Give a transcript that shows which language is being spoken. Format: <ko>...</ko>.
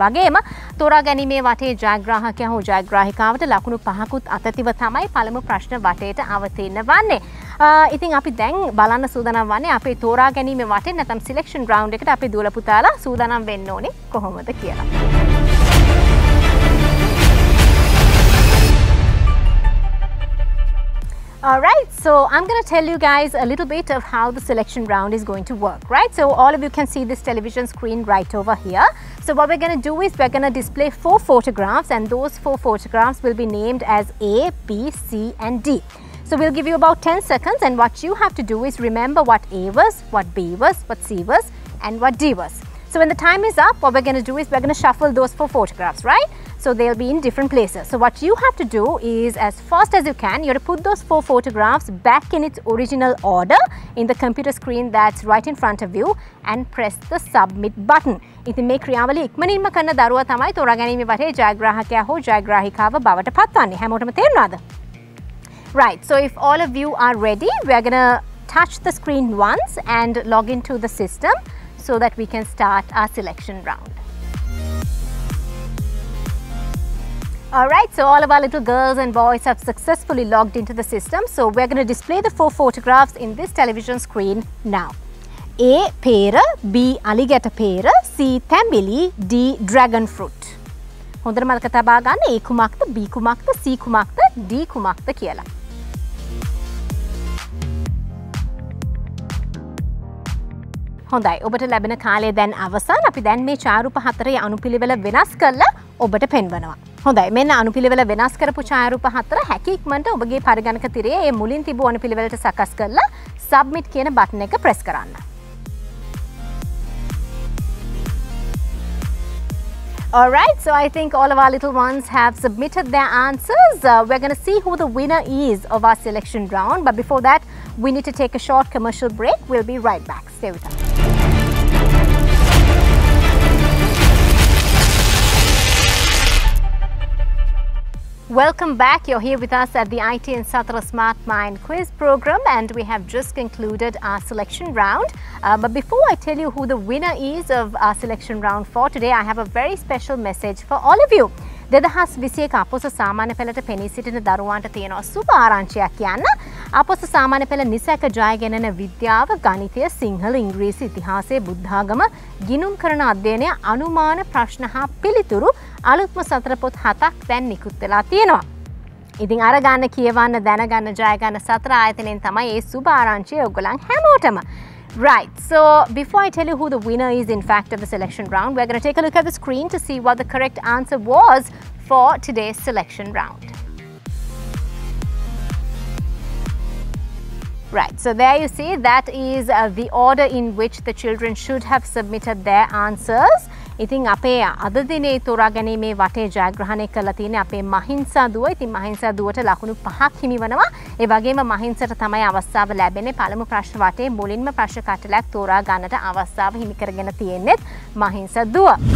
<si>වගේම තෝරා ගැනීමේ වටේ ජයග්‍රාහකයා හෝ ජයග්‍රාහිකාවට ලකුණු පහකුත් අතතිව තමයි පළමු ප්‍රශ්න වටේට අවතීන වන්නේ. ඉතින් අපි දැන් බලන්න සූදානම් වන්නේ අපේ තෝරා ගැනීමේ වටේ නැත්නම්</si> <en>selection round</en> <si>එකට අපි දුවල පුතාලා සූදානම් වෙන්න ඕනේ කොහොමද කියලා.</si> <en>Alright, so I'm going to tell you guys a little bit of how the selection round is going to work, right? So all of you can see this television screen right over here. So what we're going to do is we're going to display four photographs, and those four photographs will be named as A, B, C and D. So we'll give you about 10 seconds, and what you have to do is remember what A was, what B was, what C was and what D was. So when the time is up, what we're going to do is we're going to shuffle those four photographs, right? So they'll be in different places. So what you have to do is, as fast as you can, you have to put those four photographs back in its original order in the computer screen that's right in front of you and press the submit button.</en> <si>ඉතින් මේ ක්‍රියාවලිය ඉක්මනින්ම කරන දරුවා තමයි තෝරා ගැනීම වටේ ජයග්‍රාහකයා හෝ ජයග්‍රාහිකාව බවට පත්වන්නේ. හැමෝටම තේරෙනවද?</si> <en>Right, so if all of you are ready, we're gonna touch the screen once and log into the system so that we can start our selection round. Alright, so all of our little girls and boys have successfully logged into the system. So we're gonna display the four photographs in this television screen now. A. Pera, B. Alligator Pera, C. Thambili, D. Dragon Fruit.</en> <si>හොඳට මතක තබා ගන්න A කුමක්ද, B කුමක්ද, C කුමක්ද, D කුමක්ද කියලා. හොඳයි, ඔබට ලැබෙන කාලය දැන් අවසන්. අපි දැන් මේ චාරු පහ හතරේ අනුපිළිවෙල වෙනස් කරලා ඔබට පෙන්වනවා. හොඳයි, මෙන්න අනුපිළිවෙල වෙනස් කරපු චාරු පහ හතර හැකි ඉක්මනට ඔබගේ පරිගණක තිරයේ මේ මුලින් තිබුණු අනුපිළිවෙලට සකස් කරලා සබ්මිට් කියන බටන් එක ප්‍රෙස් කරන්න.</si> <en>Alright, so I think all of our little ones have submitted their answers. We're going to see who the winner is of our selection round. But before that, we need to take a short commercial break. We'll be right back. Stay with us. Welcome back. You're here with us at the ITN Satra Smart Mind Quiz program, and we have just concluded our selection round. But before I tell you who the winner is of our selection round for today, I have a very special message for all of you.</en> <si>දෙදහස් විසියක අපොස සාමාන්‍ය පෙළට පෙනී සිටින දරුවන්ට තියෙන සුභ ආරංචියක් කියන්න. අපොස සාමාන්‍ය පෙළ නිසැක ජයගැනෙන විද්‍යාව, ගණිතය, සිංහල, ඉංග්‍රීසි, ඉතිහාසය, බුද්ධාගම, ගිනුම් කරන අධ්‍යයනය, අනුමාන ප්‍රශ්න හා පිළිතුරු අලුත්ම සතර පොත් හතක් දැන් නිකුත් වෙලා තියෙනවා. ඉතින් අරගන්න කියවන්න දැනගන්න ජයගන්න සතර ආයතනයෙන් තමයි ඒ සුභ ආරංචිය ඔයගොල්ලන් හැමෝටම.</si> <en>Right, so before I tell you who the winner is in fact of the selection round, we're going to take a look at the screen to see what the correct answer was for today's selection round. Right, so there you see, that is the order in which the children should have submitted their answers.</en> <si>ඉතින් අපේ අද දිනේ තෝරාගැනීමේ වටේ ජයග්‍රහණය කරලා තියෙන්නේ අපේ මහින්සා දුව. ඉතින් මහින්සා දුවට ලකුණු 5ක් හිමිවනවා. ඒ වගේම මහින්සට තමයි අවස්ථාව ලැබෙන්නේ පළමු ප්‍රශ්න වටේ මුලින්ම ප්‍රශ්න කට්ටලයක් තෝරා ගන්නට අවස්ථාව හිමි කරගෙන තියෙන්නේ මහින්සා දුව.</si>